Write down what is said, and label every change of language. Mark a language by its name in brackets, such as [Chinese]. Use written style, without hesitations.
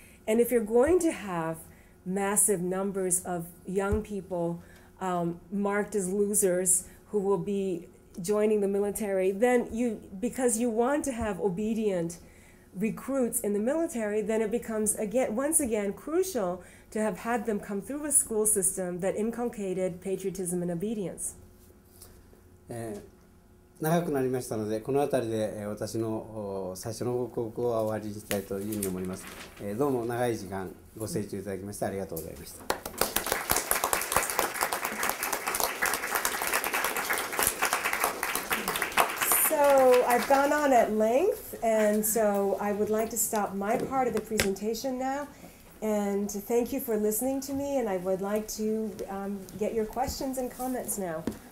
[English] And if you're going to have massive numbers of young people marked as losers who will be joining the military, then because you want to have obedient recruits in the military, then it becomes once again crucial to have had them come through a school system that inculcated patriotism and obedience. [Japanese] 長くなりましたので、この辺りで私の最初の報告を終わりにしたいというふうに思います。どうも長い時間ご清聴いただきましてありがとうございました。 [English] I've gone on at length, and so I would like to stop my part of the presentation now, and to thank you for listening to me, and I would like to get your questions and comments now.